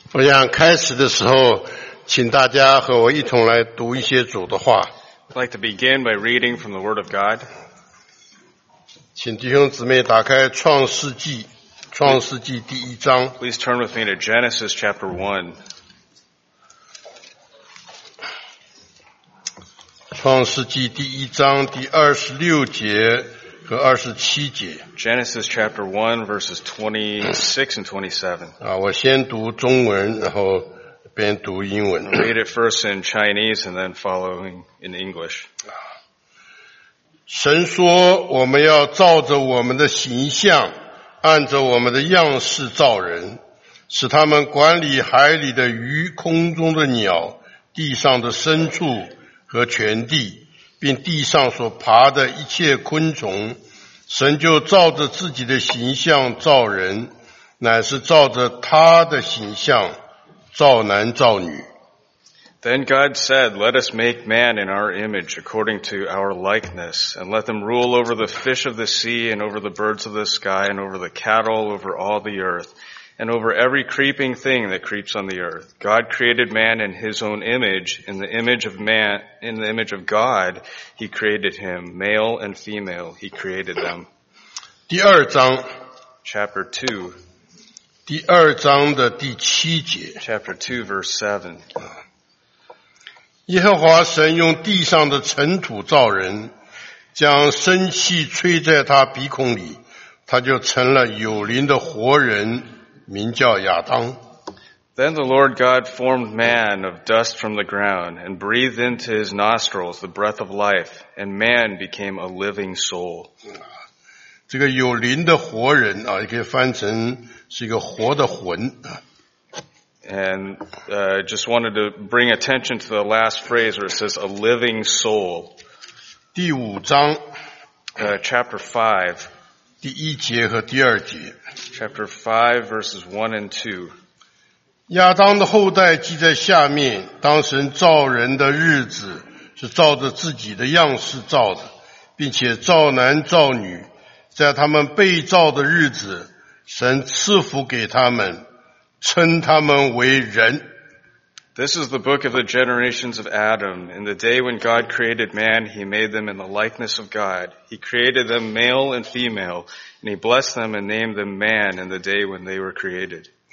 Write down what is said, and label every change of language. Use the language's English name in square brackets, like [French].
[Chinese] 我想开始的时候，请大家和我一同来读一些主的话。 [English] I'd like to begin by reading from the Word of God. [Chinese] 请弟兄姊妹打开创世纪第一章。 [English] Please turn with me to Genesis chapter 1. [Chinese] 创世纪第一章第二十六节和二十七节。 [English] Genesis chapter 1 verses 26 and 27. [Chinese] 我先读中文，然后边读英文。 [English] Read it first in Chinese and then following in English. [Chinese] 神说我们要照着我们的形象，按着我们的样式造人，使他们管理海里的鱼、空中的鸟、地上的牲畜和全地，并地上所爬的一切昆虫。神就照着自己的形象造人，乃是照着他的形象造男造女。 [English] Then God said, Let us make man in our image, according to our likeness, and let them rule over the fish of the sea, and over the birds of the sky, and over the cattle, over all the earth, and over every creeping thing that creeps on the earth. God created man in his own image, in the image of man, in the image of God, he created him, male and female, he created them. [Chinese] 第二章 [English] Chapter 2 [Chinese] 第二章的第七节 [English] Chapter 2 verse 7 [Chinese] 耶和华神用地上的尘土造人，将生气吹在他鼻孔里，他就成了有灵的活人，名叫亚当。 [English] Then the Lord God formed man of dust from the ground and breathed into his nostrils the breath of life, and man became a living soul. [Chinese] 这个有灵的活人啊，也可以翻成是一个活的魂。 [English] And just wanted to bring attention to the last phrase where it says a living soul. [Chinese] 第五章 [English] Chapter 5 [Chinese] 第一节和第二节 [English] Chapter 5 verses 1 and 2 [Chinese] 亚当的后代记在下面，当神造人的日子是照着自己的样式造的，并且造男造女，在他们被造的日子神赐福给他们，称他们为人。 [English] This is the book of the generations of Adam. In the day when God created man, he made them in the likeness of God. He created them male and female, and he blessed them and named them man in the day when they were created.